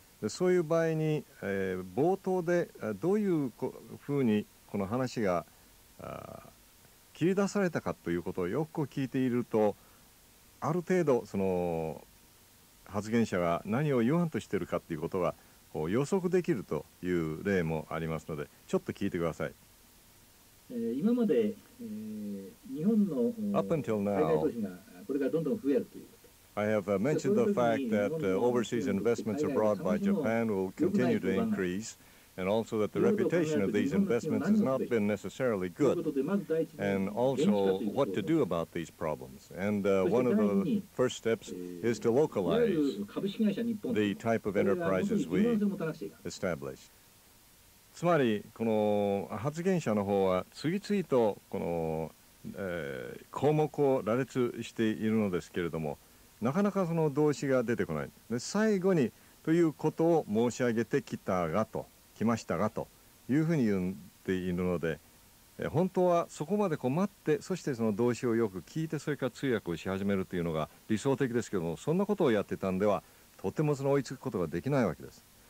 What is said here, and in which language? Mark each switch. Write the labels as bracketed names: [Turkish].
[Japanese] でそういう場合に、冒頭でどういうふうにこの話が切り出されたかということをよく聞いていると、ある程度その発言者が何を言わんとしているかということが予測できるという例もありますので、ちょっと聞いてください。今まで、日本の [English] Up until now, [Japanese] 海外投資がこれからどんどん増えるということ、 [English] I have mentioned the fact that overseas investments abroad by Japan will continue to increase, and also that the reputation of these investments has not been necessarily good, and also what to do about these problems. And one of the first steps is to localize the type of enterprises we establish. [Japanese] つまりこの発言者の方は次々とこの、項目を羅列しているのですけれども、なかなかその動詞が出てこない。で最後にということを申し上げてきたがと、来ましたがというふうに言っているので、本当はそこまで困って、そしてその動詞をよく聞いて、それから通訳をし始めるというのが理想的ですけども、そんなことをやってたんではとてもその追いつくことができないわけです。